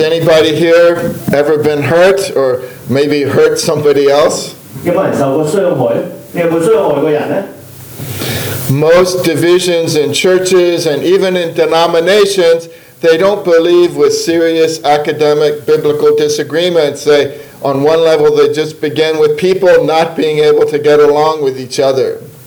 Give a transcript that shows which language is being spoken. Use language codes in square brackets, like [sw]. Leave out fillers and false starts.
[en] anybody here ever been hurt or maybe hurt somebody else? [zh] 有没有人受过伤害？你有没有伤害过人呢？ [en] Most divisions in churches and even in denominations, they don't believe with serious academic biblical disagreements. They On one level, they just begin with people not being able to get along with each other.